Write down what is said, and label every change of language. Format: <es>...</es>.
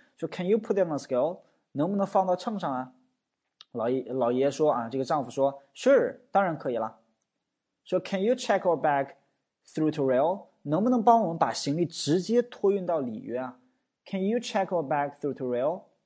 <en>说 "Can you put it on the scale？"</en> <zh>能不能放到秤上啊？老爷爷说啊，这个丈夫说</zh> <en>"Sure，</en> <zh>当然可以了。</zh> <en>说 "Can you check our bag through to rail？"</en> <zh>能不能帮我们把行李直接托运到里约啊？</zh> <en>Can you check our bag through to rail?</en>